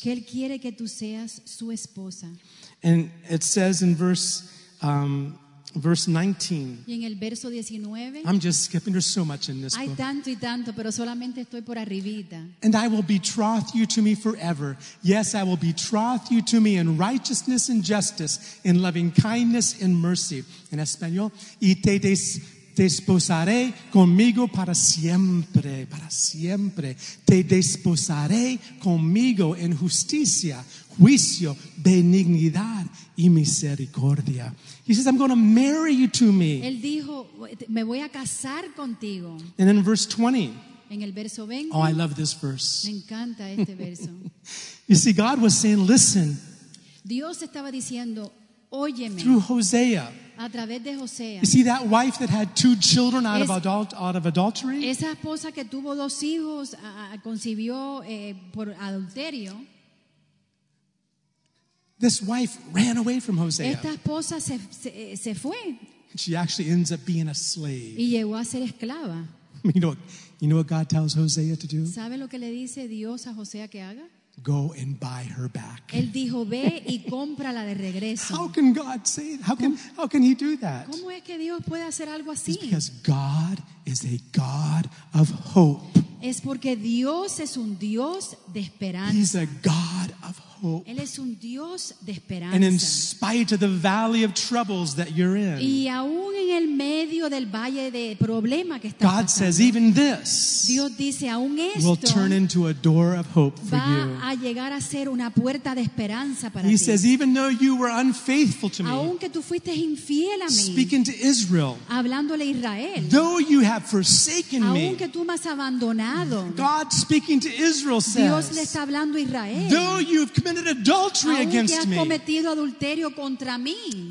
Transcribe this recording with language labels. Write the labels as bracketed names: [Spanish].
[Spanish] Que él quiere que tú seas su esposa. [English] And it says in verse 19. [Spanish] Y en el verso 19. [English] I'm just skipping. There's so much in this [Spanish] hay [English] book. [Spanish] Tanto y tanto, pero solamente estoy por arribita. [English] And I will betroth you to me forever. Yes, I will betroth you to me in righteousness and justice, in loving kindness and mercy. [Spanish] En español. Y te desposaré conmigo para siempre. Para siempre. Te desposaré conmigo en justicia, juicio, benignidad y misericordia. [English] He says, I'm going to marry you to me. [Spanish] Él dijo, me voy a casar contigo. [English] And then in verse 20, [Spanish] en el verso 20, [English] oh, I love this verse. [Spanish] Me encanta este verso. [English] You see, God was saying, listen, [Spanish] Dios estaba diciendo, óyeme, [English] through Hosea, [Spanish] a través de Hosea, [English] you see that wife that had two children out of adultery? [Spanish] Esa esposa que tuvo dos hijos concibió por adulterio. [English] This wife ran away from Hosea. [Spanish] Esta esposa se fue. [English] She actually ends up being a slave. [Spanish] Y llegó a ser esclava. [English] You know what God tells Hosea to do? [Spanish] ¿Sabe lo que le dice Dios a Hosea que haga? [English] Go and buy her back. [Spanish] Él dijo, ve y cómprala de regreso. [English] How can God say that? How can he do that? [Spanish] ¿Cómo es que Dios puede hacer algo así? [English] It's because God is a God of hope. [Spanish] Es porque Dios es un Dios de esperanza. [English] He's a God of hope. [Spanish] Él es un Dios de esperanza. [English] And in spite of the valley of troubles that you're in, [Spanish] y aún en el medio del valle de problema que está [English] God [Spanish] pasando, [English] says even this, [Spanish] Dios dice, aún esto [English] will turn into a door of hope for [Spanish] va [English] you. [Spanish] A llegar a ser una puerta de esperanza para [English] he [Spanish] ti. [English] He says even though you were unfaithful to me, [Spanish] aunque tú fuiste infiel a mí, [English] speaking to Israel, [Spanish] hablándole a Israel, [English] though you have forsaken me, [Spanish] aunque tú me has abandonado, [English] God speaking to Israel says, [Spanish] Dios le está hablando a Israel, [English] though you've committed adultery against [Spanish] has cometido adulterio contra mí,